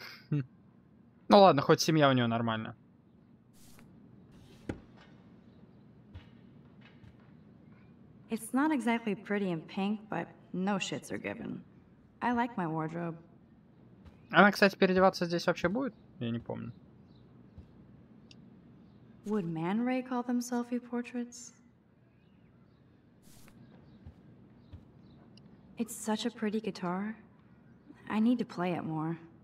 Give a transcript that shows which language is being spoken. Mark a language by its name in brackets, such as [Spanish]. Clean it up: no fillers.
[Russian] Ну ладно, хоть семья у нее нормальная. [English] It's not exactly pretty and pink, but no shits are given. I like my wardrobe. [Russian] Она, кстати, переодеваться здесь вообще будет? Я не помню. [English] Would Man Ray call them selfie portraits? It's such a pretty guitar. I need to play it more.